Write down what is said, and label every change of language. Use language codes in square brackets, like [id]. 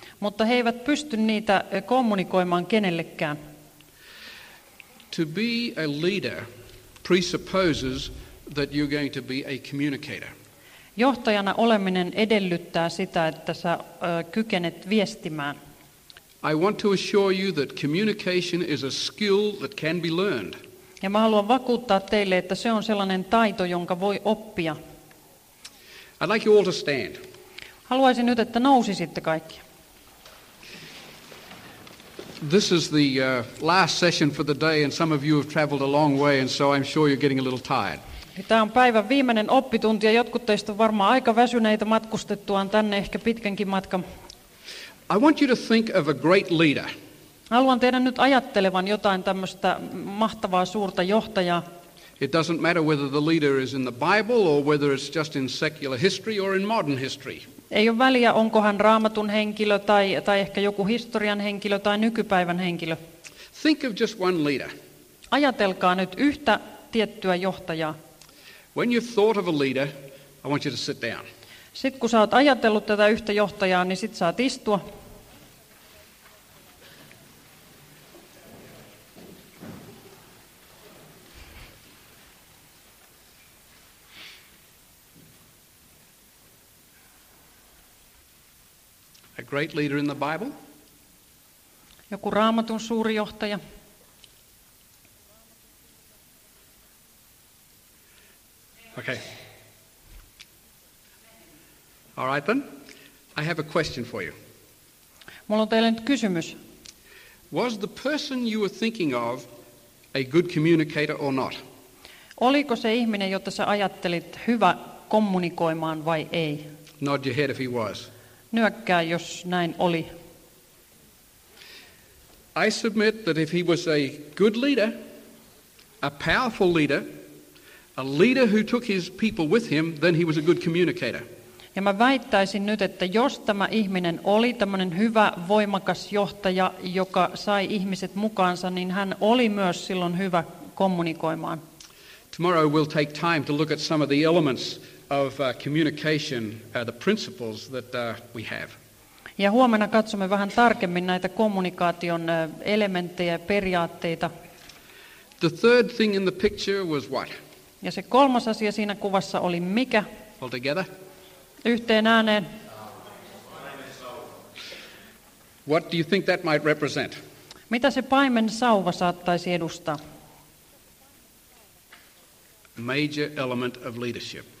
[fi] Mutta he eivät pysty niitä kommunikoimaan kenellekään. [en] To be a leader presupposes that you're going to be a communicator. [fi] Johtajana oleminen edellyttää sitä, että sä kykenet viestimään. [en] I want to assure you that communication is a skill that can be learned. [fi] Ja mä haluan vakuuttaa teille, että se on sellainen taito, jonka voi oppia. [en] I'd like you all to stand. [fi] Haluaisin nyt, että nousisitte kaikki. [en] This is the last session for the day, and some of you have traveled a long way, and so I'm sure you're getting a little tired. [fi] Tämä on päivän viimeinen oppitunti, ja jotkut teistä on varmaan aika väsyneitä matkustettuaan tänne ehkä pitkänkin matkan. [en] I want you to think of a great leader. [fi] Haluan teidän nyt ajattelevan jotain tämmöistä mahtavaa suurta johtajaa. [en] It doesn't matter whether the leader is in the Bible or whether it's just in secular history or in modern history. [fi] Ei ole väliä, onko hän Raamatun henkilö tai ehkä joku historian henkilö tai nykypäivän henkilö. [en] Think of just one leader. [fi] Ajatelkaa nyt yhtä tiettyä johtajaa. [en] When you've thought of a leader, I want you to sit down. [fi] Sitten kun sä oot ajatellut tätä yhtä johtajaa, niin sit saat istua. [en] Great leader in the Bible. [fi] Joku Raamatun suuri johtaja. [en] Okay. All right then. I have a question for you. [fi] Mulla on teille nyt kysymys. [en] Was the person you were thinking of a good communicator or not? [fi] Oliko se ihminen, jota sä ajattelit, hyvä kommunikoimaan vai ei? [en] Nod your head if he was. [fi] Nyökkää, jos näin oli. [en] I submit that if he was a good leader, a powerful leader, a leader who took his people with him, then he was a good communicator. [fi] Ja mä väittäisin nyt, että jos tämä ihminen oli tämmöinen hyvä, voimakas johtaja, joka sai ihmiset mukaansa, niin hän oli myös silloin hyvä kommunikoimaan. [en] Tomorrow we'll take time to look at some of the elements of communication, the principles that we have. [fi] Ja huomenna katsomme vähän tarkemmin näitä kommunikaation elementtejä, periaatteita. [en] The third thing in the picture was what? [fi] Ja se kolmas asia siinä kuvassa oli mikä? [en] All together. [fi] Yhteen ääneen. [en] What do you think that might represent? [fi] Mitä se paimen sauva saattaisi edustaa? [en] Major element of leadership.